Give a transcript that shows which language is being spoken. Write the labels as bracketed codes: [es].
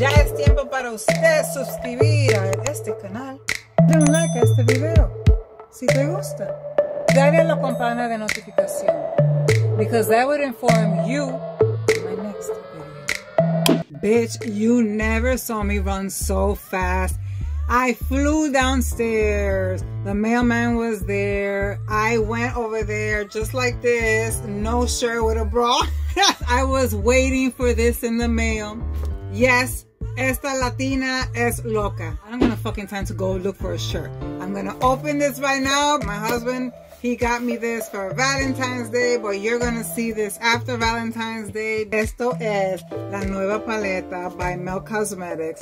[es] Ya es tiempo para usted suscribir a este canal. Dale un like a este video. Si te gusta, dale a la campana de notificación. [en] Because that would inform you of my next video. Bitch, you never saw me run so fast. I flew downstairs. The mailman was there. I went over there just like this, no shirt with a bra. I was waiting for this in the mail. Yes, [es] esta Latina es loca. [en] I don't have fucking time to go look for a shirt. I'm gonna open this right now. My husband, he got me this for Valentine's Day, but you're gonna see this after Valentine's Day. [es] Esto es la nueva paleta by Mel Cosmetics.